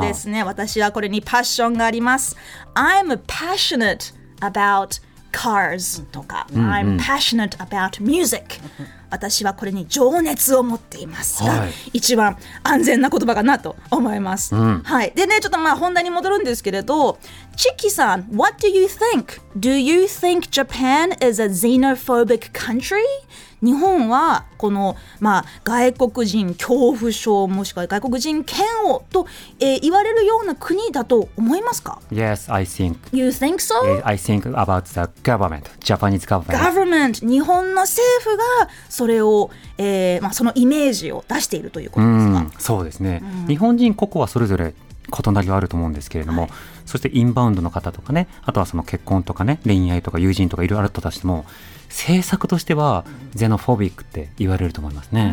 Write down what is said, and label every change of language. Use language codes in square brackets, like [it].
[ja] ですね、私はこれにパッションがあります。 [en] I'm passionate aboutcars [ja] とか、うんうん、 [en] I'm passionate about music、 [ja] 私はこれに情熱を持っていますが、はい、一番安全な言葉かなと思います、うん、はい、でね、ちょっとまあ本題に戻るんですけれど、チッキさん、 [en] What do you think? Do you think Japan is a xenophobic country? [ja] 日本はこの、まあ、外国人恐怖症もしくは外国人嫌悪と、言われるような国だと思いますか？ [en] Yes, I think. You think so? I think about the government, Japanese government. [ja] Government, 日本の政府がそれを、まあ、そのイメージを出しているということですか？そうですね、うん、日本人個々はそれぞれ異なりはあると思うんですけれども、はい、そしてインバウンドの方とかね、あとはその結婚とかね、恋愛とか友人とかいろいろあるとしても、政策としてはゼノフォビックって言われると思いますね。